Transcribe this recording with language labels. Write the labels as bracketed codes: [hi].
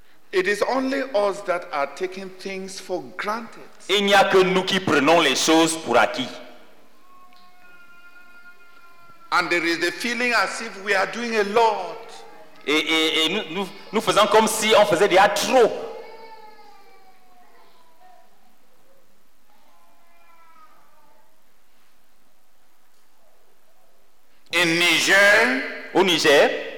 [en] It is only us that are taking things for granted. [fr] Il n'y a que nous qui prenons les choses pour acquis. [en] And there is a feeling as if we are doing a lot. [fr] Et nous faisons comme si on faisait déjà trop. [en] In Niger, [fr] au Niger,